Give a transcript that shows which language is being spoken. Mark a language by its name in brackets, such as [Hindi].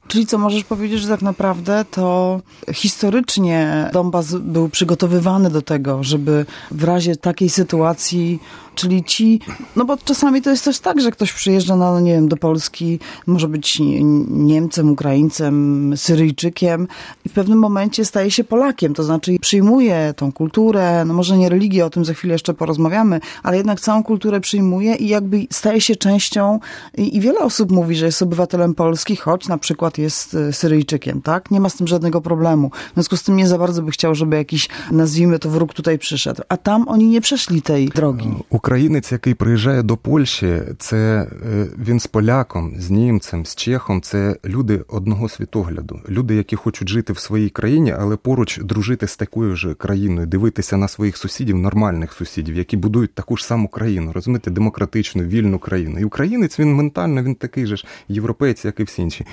[Ukrainian] Чи це можеш повідати, що так направду, то історично Донбас був приготовлений до того, щоб в разі такої ситуації, чи ті, ну бо часами то є теж так, що хтось приїжджає на, не знаю, до Польщі, може бути німцем, українцем, сирійчиком, і в певному моменті стає [Polish] się Polakiem, то znaczy przyjmuje tą kulturę, no może nie religię, o tym za chwilę jeszcze porozmawiamy, ale jednak całą kulturę przyjmuje i jakby staje się częścią i wiele osób mówi, że jest obywatelem Polski, choć na przykład jest Syryjczykiem, tak? Nie ma z tym żadnego problemu. W związku z tym nie za bardzo by chciał, żeby jakiś, nazwijmy to, wróg tutaj przyszedł. A tam oni nie przeszli tej drogi. [Ukrainian] Українець, який приїжджає до Польщі, це він з поляком, з німцем, з чехом, це люди одного світогляду. Люди, які хочуть жити в своїй країні, але поруч дружити з такою ж країною, дивитися на своїх сусідів, сусідів, нормальних сусідів, які будують таку ж саму країну, розумієте, демократичну, вільну країну. І українець, він ментально, він такий же ж європейці, як і всі інші.